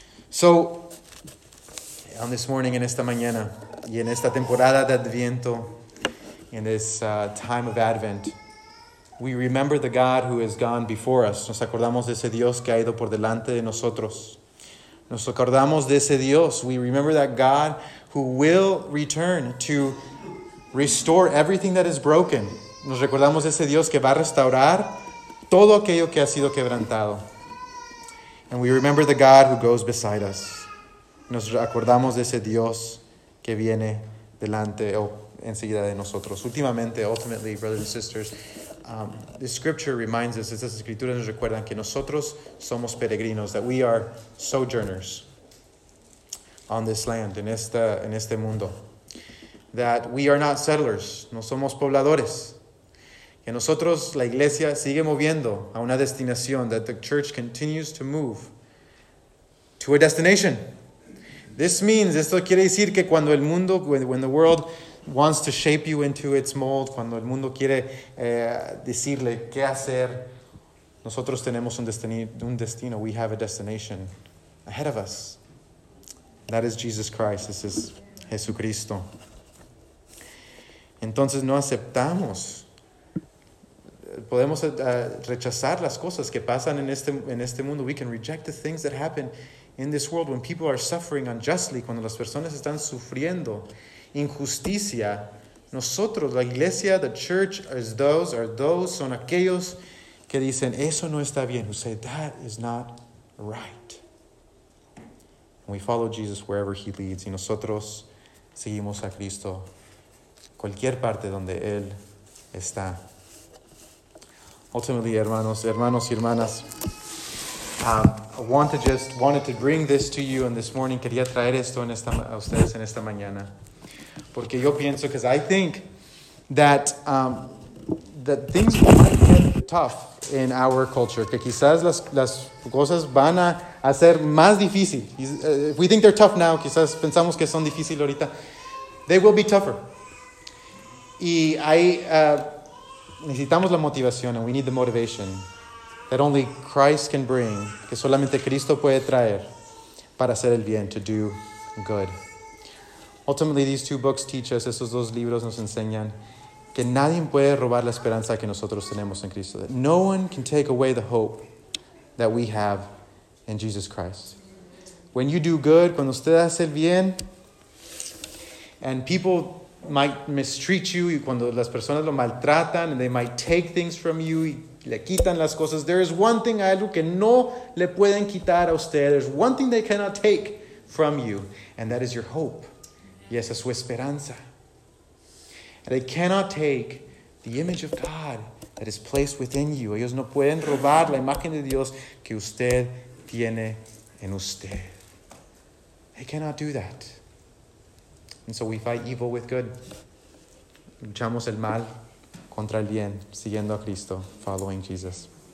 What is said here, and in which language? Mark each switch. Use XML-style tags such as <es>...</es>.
<en>So, on this morning,</en> <es>en esta mañana, y en esta temporada de Adviento,</es> <en>in this time of Advent, we remember the God who has gone before us.</en> <es>Nos acordamos de ese Dios que ha ido por delante de nosotros. Nos acordamos de ese Dios.</es> <en>We remember that God who will return to restore everything that is broken.</en> <es>Nos recordamos de ese Dios que va a restaurar todo aquello que ha sido quebrantado.</es> <en>And we remember the God who goes beside us.</en> <es>Nos acordamos de ese Dios que viene delante o enseguida de nosotros. Últimamente,</es> <en>ultimately, brothers and sisters, the scripture reminds us,</en> <es>estas escrituras nos recuerdan que nosotros somos peregrinos,</es> <en>that we are sojourners on this land,</en> <es>en este mundo.</es> <en>That we are not settlers,</en> <es>no somos pobladores. Que nosotros, la iglesia, sigue moviendo a una destinación,</es> <en>that the church continues to move to a destination. This means,</en> <es>esto quiere decir que cuando el mundo,</es> <en>when the world wants to shape you into its mold,</en> <es>cuando el mundo quiere decirle qué hacer, nosotros tenemos un destino.</es> <en>We have a destination ahead of us. That is Jesus Christ. This is Jesucristo.</en> <es>Entonces no aceptamos. Podemos rechazar las cosas que pasan en este mundo.</es> <en>We can reject the things that happen in this world when people are suffering unjustly.</en> <es>Cuando las personas están sufriendo injusticia, nosotros, la iglesia,</es> <en>the church,</en> <es>son aquellos que dicen, eso no está bien.</es> <en>Who say, that is not right. And we follow Jesus wherever he leads.</en> <es>Y nosotros seguimos a Cristo cualquier parte donde él está.</es> <en>Ultimately,</en> <es>hermanos y hermanas,</es> <en>I wanted to bring this to you in this morning.</en> <es>Quería traer esto a ustedes en esta mañana. Porque yo pienso,</es> <en>because I think that that things might get tough in our culture.</en> <es>Que quizás las cosas van a ser más difícil.</es> <en>If we think they're tough now,</en> <es>quizás pensamos que son difícil ahorita.</es> <en>They will be tougher.</en> <es>Y hay... necesitamos la motivación,</es> <en>and we need the motivation that only Christ can bring,</en> <es>que solamente Cristo puede traer para hacer el bien,</es> <en>to do good. Ultimately, these two books teach us,</en> <es>estos dos libros nos enseñan, que nadie puede robar la esperanza que nosotros tenemos en Cristo.</es> <en>That no one can take away the hope that we have in Jesus Christ. When you do good,</en> <es>cuando usted hace el bien,</es> <en>and people might mistreat you,</en> <es>y cuando las personas lo maltratan,</es> <en>and they might take things from you,</en> <es>y le quitan las cosas.</es> <en>There is one thing,</en> <es>algo que no le pueden quitar a usted.</es> <en>There's one thing they cannot take from you, and that is your hope.</en> <es>Y esa es su esperanza.</es> <en>And they cannot take the image of God that is placed within you.</en> <es>Ellos no pueden robar la imagen de Dios que usted tiene en usted.</es> <en>They cannot do that. And so we fight evil with good.</en> <es>Luchamos el mal contra el bien, siguiendo a Cristo,</es> <en>following Jesus.</en>